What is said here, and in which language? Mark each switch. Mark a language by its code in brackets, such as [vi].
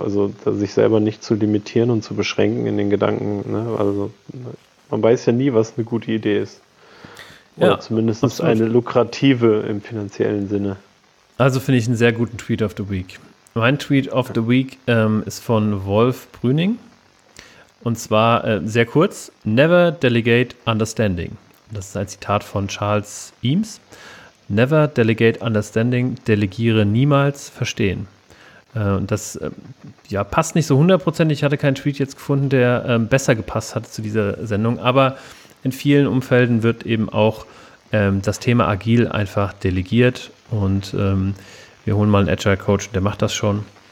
[de] Also sich selber nicht zu limitieren und zu beschränken in den Gedanken, ne? Also man weiß ja nie, was eine gute Idee ist. Oder ja, zumindest absolut. Eine lukrative im finanziellen Sinne. Also finde ich einen sehr guten Tweet of the Week. Mein Tweet of the Week ist von Wolf Brüning. Und zwar sehr kurz. [en] Never delegate understanding. [de] Das ist ein Zitat von Charles Eames. [en] Never delegate understanding. [de] Delegiere niemals verstehen. Und das ja, passt nicht so 100%. Ich hatte keinen Tweet jetzt gefunden, der besser gepasst hat zu dieser Sendung. Aber in vielen Umfelden wird eben auch das Thema agil einfach delegiert. Und wir holen mal einen Agile-Coach, der macht das schon.